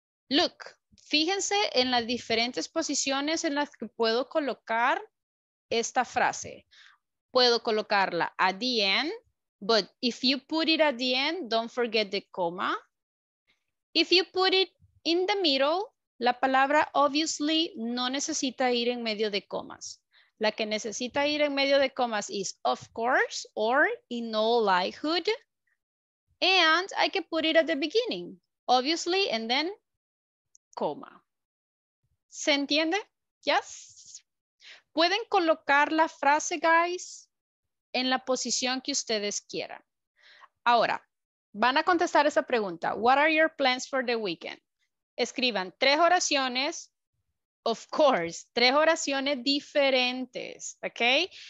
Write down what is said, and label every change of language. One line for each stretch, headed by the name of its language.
Spanish: Look, fíjense en las diferentes posiciones en las que puedo colocar esta frase. Puedo colocarla
English: at the end, but if you put it at the end, don't forget the comma. If you put it in the middle,
Spanish: la palabra obviously no necesita ir en medio de comas. La que necesita ir en medio de comas
English: is of course or in all likelihood. And I can put it at the beginning, obviously, and then coma.
Spanish: ¿Se entiende? Yes. Pueden colocar la frase, guys, en la posición que ustedes quieran. Ahora, van a contestar esa pregunta.
English: What are your plans for the weekend?
Spanish: Escriban tres oraciones.
English: Of course,
Spanish: tres oraciones diferentes, okay?